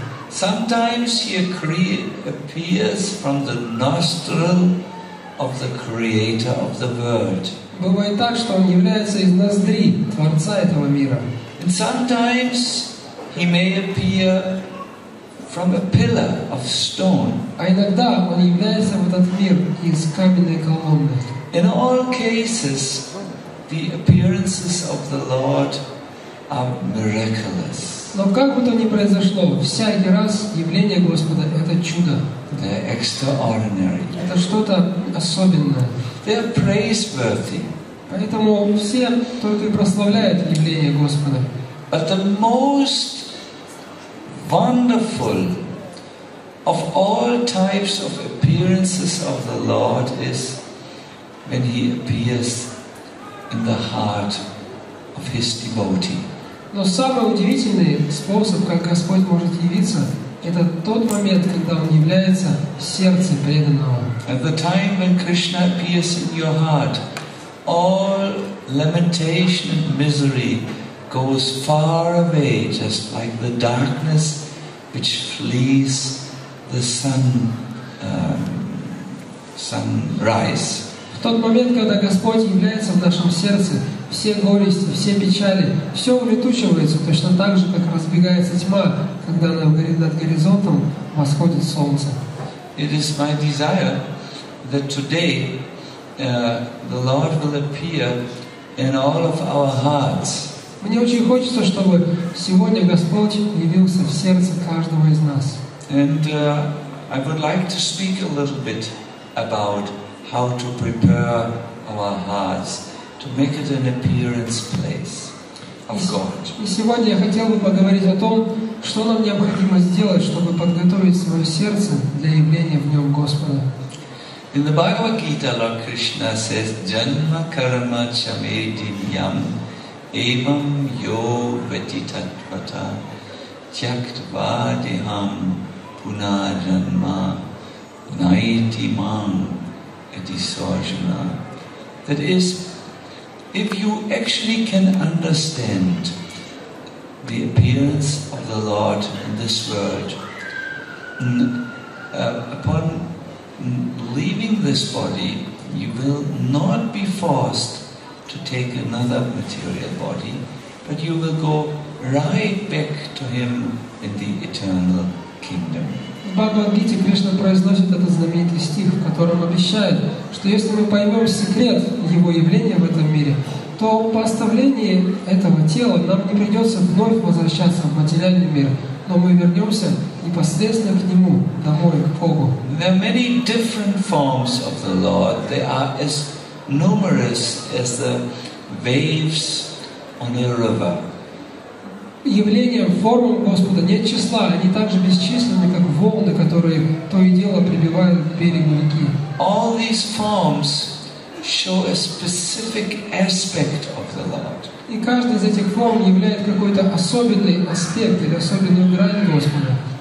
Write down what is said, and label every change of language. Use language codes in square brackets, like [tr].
[en] Sometimes he appears from the nostril of the creator of the world. [ru] Бывает так, что он является из ноздри творца этого мира. [en] And sometimes he may appear from a pillar of stone. [ru] А иногда он является в этот мир из каменной колонны. [en] In all cases, the appearances of the Lord are miraculous. [ru] Но как бы то ни произошло, всякий раз явление Господа — это чудо. [en] They're extraordinary. [ru] Это что-то особенное. [en] They're praiseworthy. [ru] Поэтому все только и прославляют явление Господа. [en] But the most wonderful of all types of appearances of the Lord is when He appears in the heart of His devotee. [ru] Но самый удивительный способ, как Господь может явиться, это тот момент, когда Он является в сердце преданного. [en] At the time when Krishna appears in your heart, all lamentation and misery goes far away, just like the darkness which flees the sunrise. [ru] В тот момент, когда Господь является в нашем сердце, все горести, все печали, все улетучивается, точно так же, как разбегается тьма, когда над горизонтом восходит солнце. [en] It is my desire that today the Lord will appear in all of our hearts. [ru] Мне очень хочется, чтобы сегодня Господь явился в сердце каждого из нас. [en] And I would like to speak a little bit about how to prepare our hearts to make it an appearance place of God. [ru] И сегодня я хотел бы поговорить о том, что нам необходимо сделать, чтобы подготовить свое сердце для явления в нем Господа. [en] In the Bhagavad Gita, Lord Krishna says, [sa] "Janma karma chame dinyam evam yo vetitatvata tyaktva deham punarjanma naiti mam eti sojana." [en] That is, if you actually can understand the appearance of the Lord in this world, upon leaving this body, you will not be forced to take another material body, but you will go right back to Him in the eternal kingdom. [ru] В Бхагавад-гите Кришна произносит этот знаменитый стих, в котором обещает, что если мы поймем секрет Его явления в этом мире, то по оставлении этого тела нам не придется вновь возвращаться в материальный мир, но мы вернемся непосредственно к Нему, домой, к Богу. [en] There are many different forms of the Lord. They are as numerous as the waves on a river. [ru] явления, формы Господа нет числа, они так же бесчисленны, как волны, которые то и дело прибивают берег реки. [en] All these forms show a specific aspect of the Lord. [ru] И каждая из этих форм является какой-то особенный аспект или особенную грань Господа.